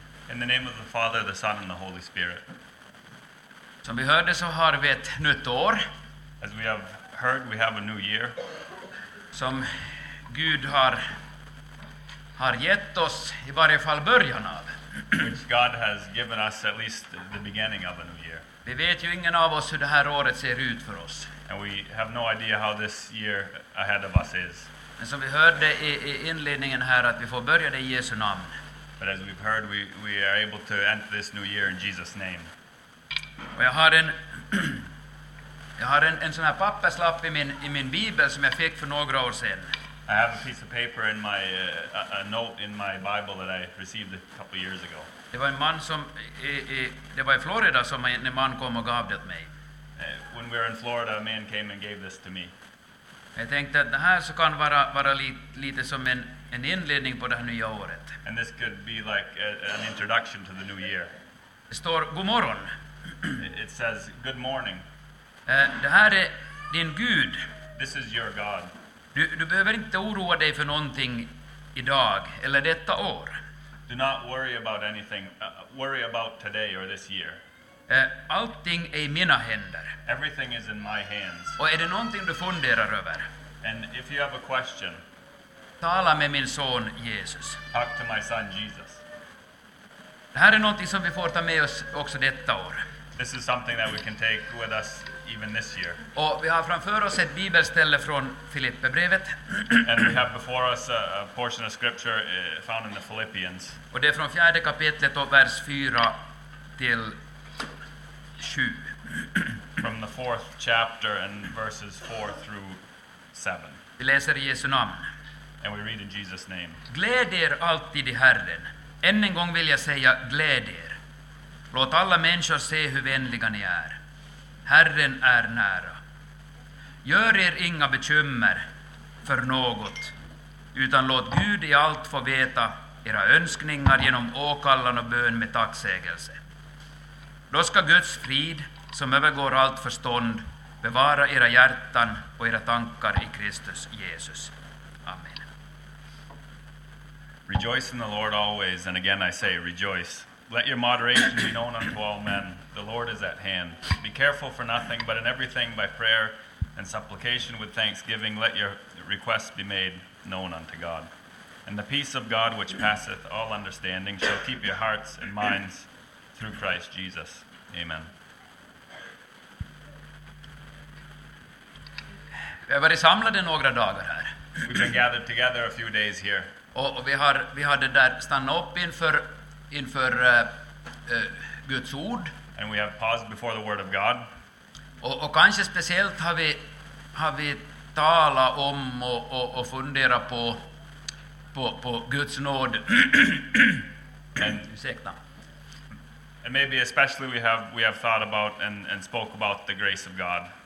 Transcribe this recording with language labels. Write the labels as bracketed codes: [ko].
[en] In the name of the Father, the Son and the Holy Spirit. [sv] Som vi hörde så har vi ett nytt år. [en] As we have heard, we have a new year. [sv] Som Gud har gett oss i varje fall början av. [en] Which God has given us at least the beginning of a new year. [sv] Vi vet ju ingen av oss hur det här året ser ut för oss. [en] And we have no idea how this year ahead of us is. [sv] Men som vi hörde i inledningen här att vi får börja det i Jesu namn. [en] But as we've heard, we are able to enter this new year in Jesus' name. [sv] Och jag har en sån här papperslapp i min bibel som jag fick för några år sedan. [en] I have a piece of paper in my a note in my Bible that I received a couple years ago. [sv] Det var en man som det var i Florida som en man kom och gav det mig. [en] When we were in Florida, a man came and gave this to me. [sv] Jag tänkte att det här så kan vara lite som en inledning på det här nya året. [en] And this could be like an introduction to the new year. [sv] Det står god morgon. [en] It says good morning. [sv] Det här är din Gud. [en] This is your God. [sv] Du behöver inte oroa dig för någonting idag eller detta år. [en] Do not worry about anything. Worry about today or this year. [sv] Allting är i mina händer. [en] Everything is in my hands. [sv] Och är det någonting du funderar över? [en] And if you have a question, [sv] tala med min son Jesus. [en] Talk to my son Jesus. [sv] Det här är någonting som vi får ta med oss också detta år. [en] This is something that we can take with us even this year. [sv] Och vi har framför oss ett bibelställe från Filipperbrevet. [en] And we have before us a portion of scripture found in the Philippians. [sv] Och det är från fjärde kapitlet och vers 4 till 7. [en] From the fourth chapter and verses 4 through 7. [sv] Vi läser i Jesu namn. [en] And we read in Jesus' name. [sv] Gläd er alltid i Herren. Än en gång vill jag säga gläd er. Låt alla människor se hur vänliga ni är. Herren är nära. Gör er inga bekymmer för något, utan låt Gud i allt få veta era önskningar genom åkallan och bön med tacksägelse. Då ska Guds frid, som övergår allt förstånd, bevara era hjärtan och era tankar i Kristus Jesus. Amen. [en] Rejoice in the Lord always, and again I say rejoice. Let your moderation be known unto all men. The Lord is at hand. Be careful for nothing, but in everything by prayer and supplication with thanksgiving, let your requests be made known unto God. And the peace of God, which passeth all understanding, shall keep your hearts and minds through Christ Jesus. Amen. [sv] Vi har varit samlade några dagar här. [en] We've been gathered together a few days here. [sv] Och vi har det där stanna upp inför Guds ord. [en] And we have paused before the word of God. [sv] Och kanske speciellt har vi talat om och fundera på Guds nåd. [en] And maybe especially we have thought about and spoke about the grace of God.